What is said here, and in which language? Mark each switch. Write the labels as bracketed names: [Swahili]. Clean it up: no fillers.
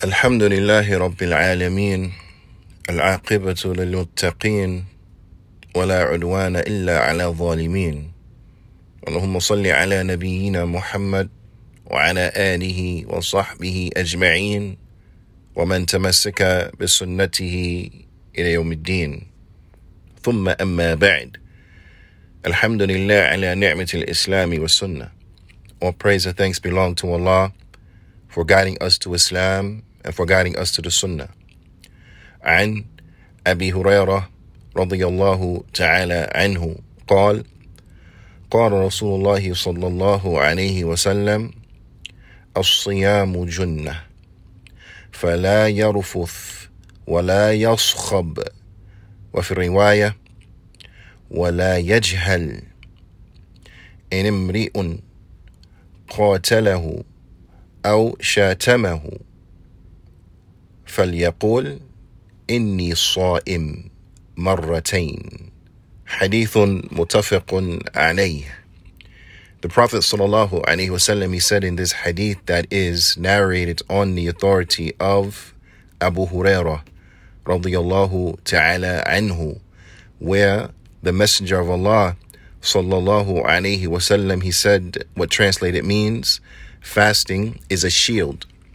[Arabic] الحمد لله رب العالمين العاقبة للمتقين ولا عدوان إلا على الظالمين اللهم صل على نبينا محمد وعلى آله وصحبه أجمعين ومن تمسك بسنته إلى يوم الدين ثم أما بعد الحمد لله على نعمة الإسلام والسنة. [English] All praise and thanks belong to Allah for guiding us to Islam and for guiding us to the Sunnah. [Arabic] عن أبي هريرة رضي الله تعالى عنه قال قال رسول الله صلى الله عليه وسلم الصيام جنة فلا يرفث ولا يصخب وفي الرواية ولا يجهل إن امرئ قاتله أو شاتمه فليقول إني صائم مرتين حديث متفق عليه. [English] The Prophet sallallahu alaihi wasallam, he said in this hadith that is narrated on the authority of Abu Hurairah radiyallahu ta'ala anhu, where the Messenger of Allah sallallahu alaihi wasallam, he said what translated means, fasting is a shield.